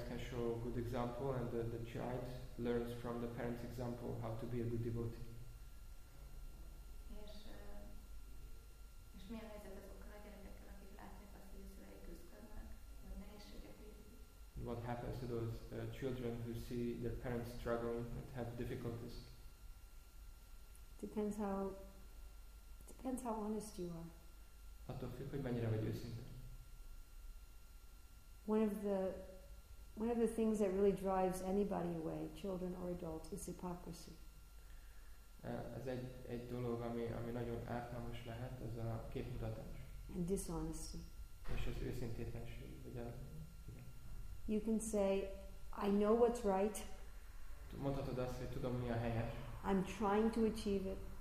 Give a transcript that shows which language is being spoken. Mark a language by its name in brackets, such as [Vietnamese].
[English] Show good example, and the child learns from the parent's example how to be a good devotee. [Hungarian] És milyen helyzet azokkal a gyerekekkel, akik látják azt, hogy a szüleik küzdködnek, vagy nehézségek. [English] What happens to those children who see their parents struggling and have difficulties? Depends how honest you are. [Hungarian] Attól függ, hogy mennyire vagy őszinte. [English] One of the things that really drives anybody away, children or adults, is hypocrisy. [Hungarian] Ez egy dolog, ami nagyon ártalmas lehet, az a képmutatás. [English] And dishonesty. [Hungarian] És az őszintétlenség, vagy a... [English] You can say, I know what's right. [Hungarian] Mondhatod azt, hogy tudom, mi a helyes. [English] I'm trying to achieve it.